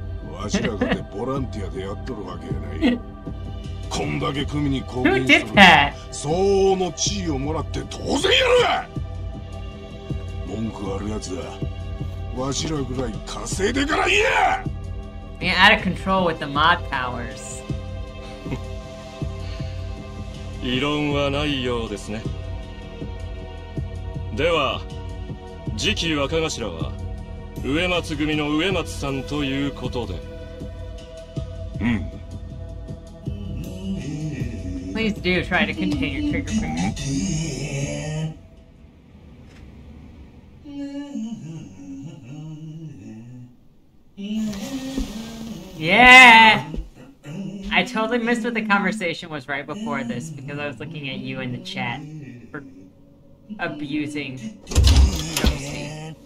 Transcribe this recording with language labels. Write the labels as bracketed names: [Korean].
[Japanese] わしらがてボランティアでやっとるわけやない。こんだけ組に貢献するのは相応の地位をもらって当然やろ。文句あるやつはわしらぐらい稼いでからいや。 [English] Being out of control with the mod powers. [Japanese] 異論はないようですね。では次期若頭は上松組の上松さんということで。うん。 [English] Please do try to contain your trigger finger. Yeah! I totally missed what the conversation was right before this because I was looking at you in the chat for abusing Josie.